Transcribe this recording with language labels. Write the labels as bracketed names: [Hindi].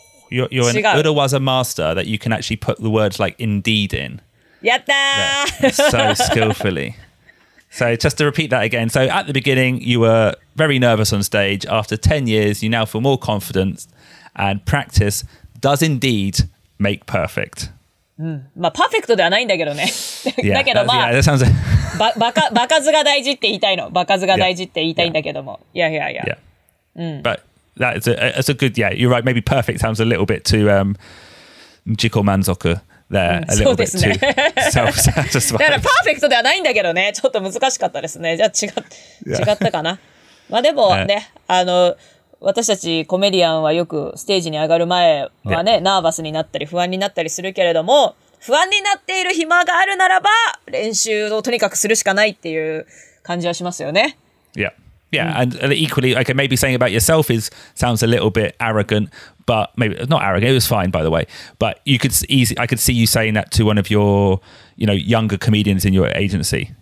[English] You're an Urawaza master that you can actually put the words like indeed in. [Japanese] Yatta! [English] So skillfully. So just to repeat that again. So at the beginning, you were very nervous on stage. After 10 years, you now feel more confident and practice does indeed make perfect. [Japanese] まあ、パーフェクトではないんだけどね。 [English] Yeah, [Japanese] だけど、まあ、 [English] yeah, that sounds... [Japanese] バカ数が大事って言いたいの。バカ数が大事って言いたいんだけども。 [English] Yeah, yeah, yeah. yeah. yeah. But that's a good... Yeah, you're right. Maybe perfect sounds a little bit too... [Japanese] 自己満足。 [English] There, a little bit too self-satisfied. [Japanese] だからパーフェクトではないんだけどね。ちょっと難しかったですね。じゃあ違ったかな。まあでもね、私たちコメディアンはよくステージに上がる前はね、ナーバスになったり不安になったりするけれども、不安になっている暇があるならば、練習をとにかくするしかないっていう感じはしますよね。 [English] Yeah. Yeah. And equally, okay, maybe saying about yourself is, sounds a little bit arrogant. But maybe not arrogant. It was fine, by the way. But you could easy. I could see you saying that to one of your, you know, younger comedians in your agency.